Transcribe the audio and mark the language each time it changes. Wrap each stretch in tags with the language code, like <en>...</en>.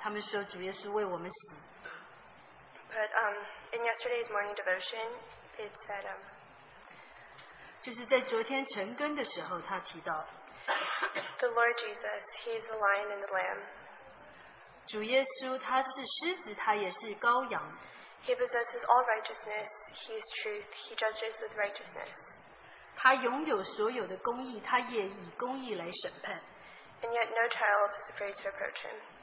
<zh>因为从小我们就听到他们说主耶稣为我们死。</zh> <en>But in yesterday's morning devotion, it said,</en> <zh>就是在昨天晨更的时候他提到,</zh> <en>The Lord Jesus, He's the Lion and the Lamb.</en> <zh>主耶稣他是狮子,他也是羔羊。</zh> <en>He possesses all righteousness, He is truth, He judges with righteousness.</en> <zh>他拥有所有的公义,他也以公义来审判。</zh> <en>And yet no child is afraid to approach Him.</en>